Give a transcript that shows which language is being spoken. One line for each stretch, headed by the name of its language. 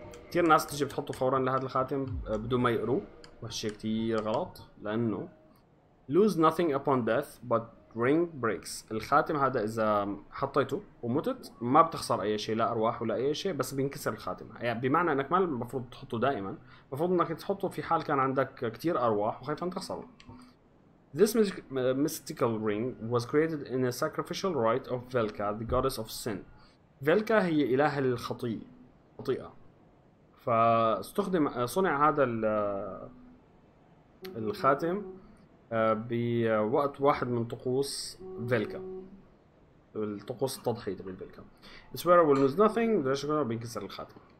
Arabic: كثير ناس تجي بتحطه فورا لهذا الخاتم بدون ما يقروه، وهالشيء كثير غلط لانه
English: lose nothing upon death but ring breaks.
Arabic: الخاتم هذا اذا حطيته ومتت ما بتخسر اي شيء، لا ارواح ولا اي شيء، بس بينكسر الخاتم. يعني بمعنى انك ما المفروض تحطه دائما، المفروض انك تحطه في حال كان عندك كثير ارواح وخايف ان تخسره.
English: This mystical ring was created in a sacrificial rite of Velka, the goddess of sin.
Arabic: Velka هي إله الخطيئة. فاستخدم صنع هذا الخاتم بوقت واحد من طقوس Velka. الطقوس التضحية تبعت Velka.
English: This wearer will lose nothing.
Arabic: ده شغله بينكسر الخاتم.